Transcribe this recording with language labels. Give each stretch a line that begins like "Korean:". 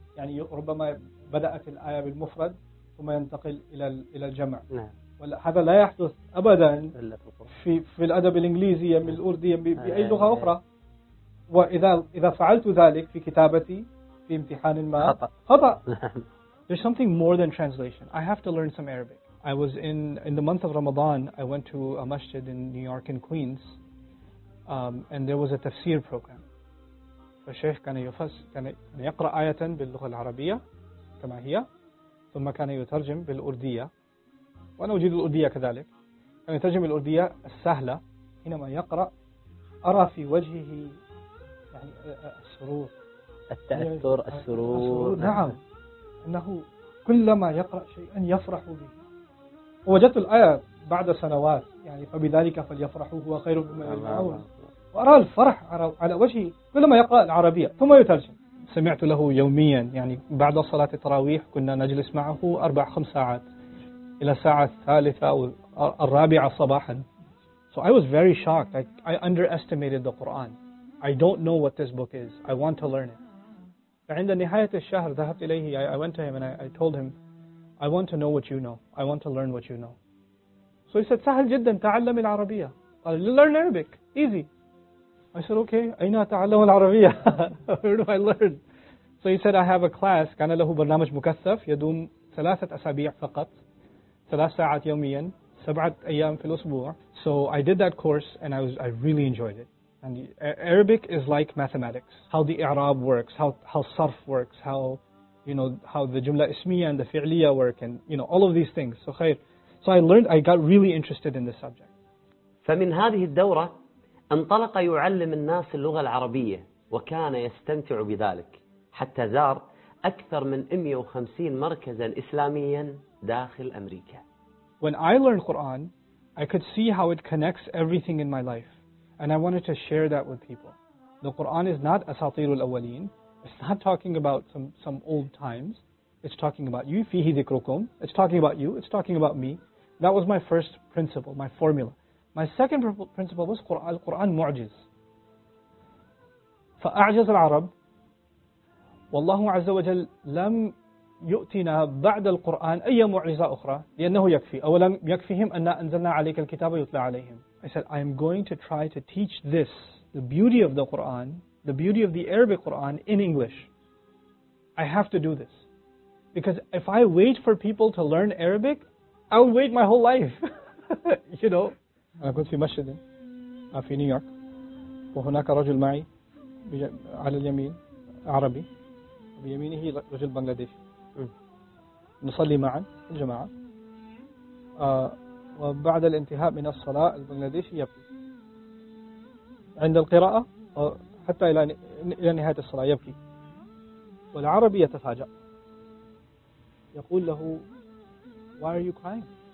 Arabic: يعني ربما بدأت الآية بالمفرد ثم ينتقل إلى الجمع. نعم. هذا لا يحدث أبدا في الأدب الإنجليزي من الأردية بأي لغة أخرى، وإذا فعلت ذلك في كتابتي في امتحان ما خطأ.
English: There's something more than translation. I have to learn some Arabic. I was in the month of Ramadan. I went to a masjid in New York in Queens, and there was a tafsir program.
Arabic: فالشيخ كان يقرأ آية باللغة العربية كما هي، ثم كان يترجم بالأردية، وأنا أجيد الأردية كذلك. كان يترجم الأردية السهلة، حينما يقرأ أرى في وجهه يعني السرور، التأثر، السرور. نعم، أنه كلما يقرأ شيئا يفرح به. وجدت الآية بعد سنوات، يعني فبذلك فليفرحوا هو خير من يجمعون، وأرى الفرح على وجهي كلما يقرأ العربية ثم يترجم. سمعت له يوميا، يعني بعد صلاة التراويح كنا نجلس معه 4-5 ساعات إلى الساعة الثالثة أو الرابعة صباحا.
English: So I was very shocked. I underestimated the Quran. I don't know what this book is. I want to learn it.
Arabic: فعند نهاية الشهر ذهبت إليه.
English: I went to him and I told him, I want to know what you know. I want to learn what you know. So he said,
Arabic: سهل جدا، تعلم العربية. قال,
English: learn Arabic. Easy. I said, okay.
Arabic: أين أتعلم العربية؟
English: Where do I learn? So he said, I have a class.
Arabic: كان له برنامج مكثف يدوم 3 أسابيع فقط. 3 ساعات يوميا، 7 أيام في الأسبوع.
English: So I did that course and I really enjoyed it. And Arabic is like mathematics. How the إعراب works, how صرف works, how you know how the جملة اسمية and the فعلية work, and you know all of these things. So خير. So I got really interested in this subject.
Arabic: فمن هذه الدورة انطلق يعلم الناس اللغة العربية وكان يستمتع بذلك، حتى زار أكثر من 150 مركزا إسلاميا داخل أمريكا.
English: When I learned Quran, I could see how it connects everything in my life, and I wanted to share that with people. The Quran is not
Arabic: أساطير الأولين.
English: It's not talking about some old times. It's talking about you.
Arabic: فيه ذكركم.
English: It's talking about you. It's talking about me. That was my first principle, my formula. My second principle was
Arabic: القرآن معجز. فأعجز العرب. والله عز وجل لم يؤتنا بعد القرآن أي معجزة أخرى، لأنه يكفي، أولم يكفهم أن أنزلنا عليك الكتاب يتلى عليهم.
English: I said, I am going to try to teach this, the beauty of the Quran, the beauty of the Arabic Quran in English. I have to do this. Because if I wait for people to learn Arabic, I'll wait my whole life. You know?
Arabic: أنا كنت في مسجد في نيويورك، وهناك رجل معي على اليمين عربي، بيمينه رجل بنغلاديشي. نصلي معا الجماعة، وبعد الانتهاء من الصلاة البنغلاديشي يبكي عند القراءة، حتى إلى نهاية الصلاة يبكي، والعربي يتفاجأ، يقول له
English: Why are you crying?